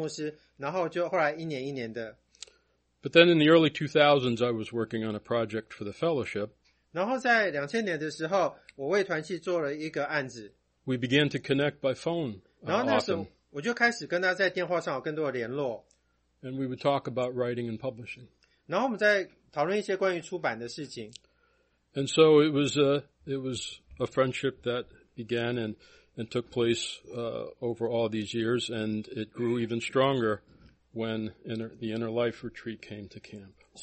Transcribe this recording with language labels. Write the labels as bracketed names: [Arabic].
[Chinese] 我就是从那个周末开始,我认识了周牧师,然后就后来一年一年的。 [English] But then in the early 2000s, I was working on a project for the fellowship. [Chinese] 然后在2000年的时候, 我为团契做了一个案子。 [English] We began to connect by phone. [Chinese] 然后那时候, 我就开始跟他在电话上有更多的联络。 [English] And we would talk about writing and publishing. [Chinese] 然后我们在讨论一些关于出版的事情。 [English] And so it was a friendship that began and took place over all these years, and it grew even stronger when the Inner Life Retreat came to camp.